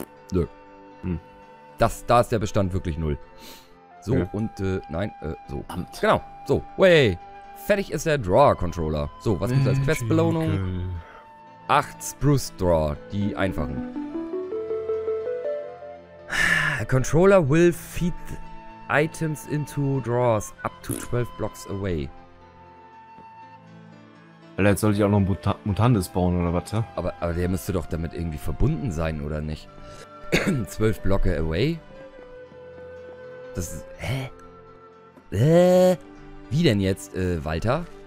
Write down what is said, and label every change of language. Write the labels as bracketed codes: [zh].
[de] Nö. Da ist der Bestand wirklich null. So, okay. Und so. Amt. Genau, so. Way. Fertig ist der Draw-Controller. So, was gibt's als Questbelohnung? 8 Spruce Draw, die einfachen. [en] Controller will feed items into drawers up to 12 blocks away. [de] Alter, jetzt sollte ich auch noch einen Mutantis bauen oder was, ja? Aber der müsste doch damit irgendwie verbunden sein, oder nicht? 12 Blocke away? Das ist. Hä? Wie denn jetzt, Walter?